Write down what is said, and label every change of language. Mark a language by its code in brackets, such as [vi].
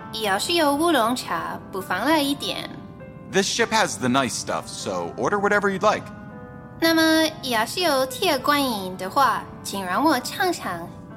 [zh] 也要是有 乌龙 茶, 不妨来一点. [en] This ship has the nice stuff, so order whatever you'd like. [zh] 那么也要是有 铁观音的话, 请让我尝尝.